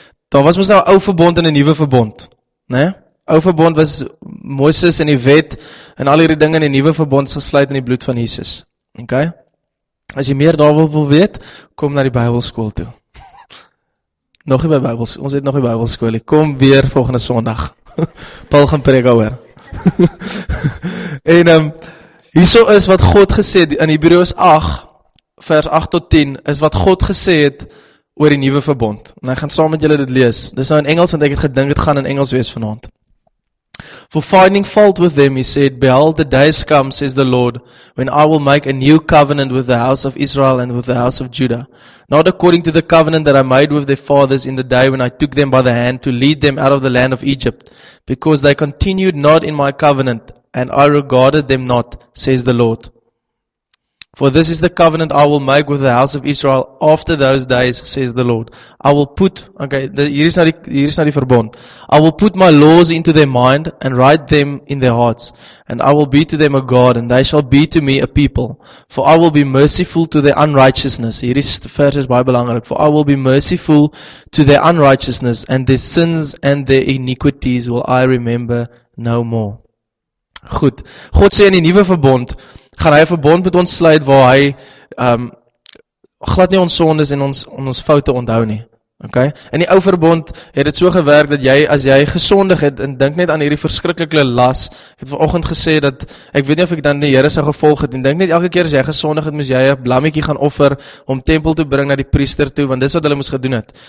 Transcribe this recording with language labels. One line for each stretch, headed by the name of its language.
Afrikaans: Daar was mos nou 'n ou verbond en 'n nuwe verbond, né? Ou verbond was Moses en die wet en al hierdie dinge in die nuwe verbond gesluit in die bloed van Jesus. Okay? As jy meer daar wil weet, kom na die Bybelskool toe. Nog nie by Bybelskool, ons het nog die Bybelskool nie. Kom weer volgende Sondag. Paul gaan preek daaroor. En hierso is wat God gesê het in Hebreërs 8 vers 8 tot 10 is wat God gesê het oor die nuwe verbond. En ek gaan saam met julle dit lees. Dis nou in Engels want ek het gedink dit gaan in Engels wees vanaand.
English: For finding fault with them, he said, Behold, the days come, says the Lord, when I will make a new covenant with the house of Israel and with the house of Judah. Not according to the covenant that I made with their fathers in the day when I took them by the hand to lead them out of the land of Egypt, because they continued not in my covenant, and I regarded them not, says the Lord. For this is the covenant I will make with the house of Israel after those days, says the Lord. I will put, okay,
Afrikaans: hier is nou die verbond.
English: I will put my laws into their mind and write them in their hearts. And I will be to them a God and they shall be to me a people. For I will be merciful to their unrighteousness.
Afrikaans: Hier is
English: the first
Afrikaans: is baie belangrik.
English: For I will be merciful to their unrighteousness and their sins and their iniquities will I remember no more.
Afrikaans: Goed, God sê in die nuwe verbond, gaan hy 'n verbond met ons sluit waar hy glad nie ons sondes en ons foute onthou nie. Okay? In die ou verbond het dit so gewerk dat jy as jy gesondig het en dink net aan hierdie verskriklike las. Ek het vanoggend gesê dat ek weet nie of ek dan die Here sou gevolg het en dink net elke keer as jy gesondig het, moes jy 'n blammetjie gaan offer om tempel toe bring na die priester toe want dis wat hulle moes gedoen het.